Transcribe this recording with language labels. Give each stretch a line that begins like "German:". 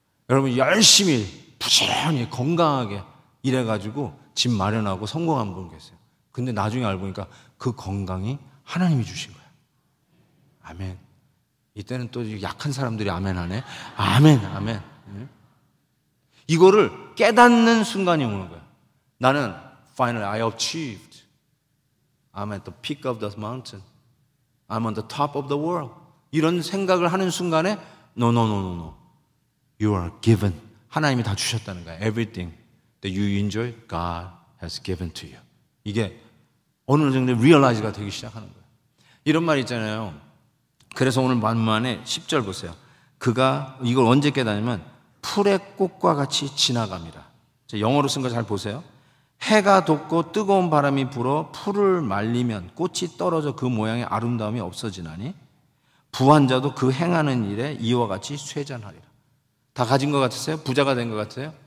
Korean: 여러분 열심히 부지런히 건강하게 일해가지고 집 마련하고 성공한 분 계세요. 근데 나중에 알고 보니까 그 건강이 하나님이 주신 거야. 아멘. 이때는 또 약한 사람들이 아멘하네. 아멘, 아멘. 이거를 깨닫는 순간이 오는 거야. 나는
English: finally I achieved. I'm at the peak of the mountain. I'm on the top of the world.
Korean: 이런 생각을 하는 순간에
English: no, no, no, no, no. You are given.
Korean: 하나님이 다 주셨다는 거야.
English: Everything that you enjoy, God has given to you.
Korean: 이게 어느 정도 realize가 되기 시작하는 거예요. 이런 말 있잖아요. 그래서 오늘 만만에 10절 보세요. 그가 이걸 언제 깨닫냐면 풀의 꽃과 같이 지나갑니다. 영어로 쓴 거 잘 보세요. 해가 돋고 뜨거운 바람이 불어 풀을 말리면 꽃이 떨어져 그 모양의 아름다움이 없어지나니 부한 자도 그 행하는 일에 이와 같이 쇠잔하리라. 다 가진 것 같으세요? 부자가 된 것 같으세요?